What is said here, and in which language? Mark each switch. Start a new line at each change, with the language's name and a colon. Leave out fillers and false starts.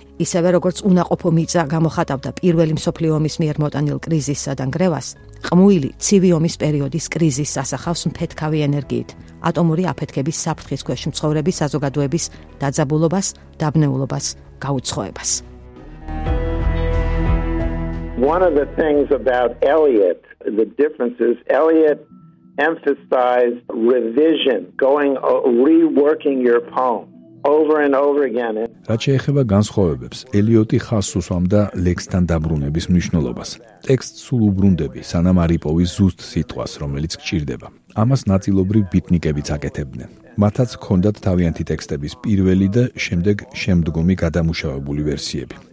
Georgian: ისევე როგორც უნაყოფო მიწა გამოხატავდა პირველი მსოფლიო ომის მიერ მოტანილ კრიზისსა და ნგრევას, ყმუილი ცივი ომის პერიოდის კრიზისს ასახავს მფეთქავი ენერგიით, ატომური აფეთქების საფრთხის ქვეშ მცხოვრების საზოგადოების დაძაბულობას, დაბნეულობას, გაუცხოებას.
English: One of the things about Eliot, the difference is Eliot emphasized revision, going reworking your poem. Over and over again.
Georgian: რაჭი ეხება განსხოვებებს, ელიოტი ხას უსვამდა ლექსთან დაბრუნების მნიშვნელობას. ტექსტს სულ უბრუნდები სანამ არ იპოვის ზუსტ სიტყვას, რომელიც გჭირდება. ამას ნაწილობრივ ბიტნიკებიც აკეთებდნენ. მათაც ჰქონდათ თავიანთი ტექსტების პირველი და შემდეგ შემდგომი გადამუშავებული ვერსიები.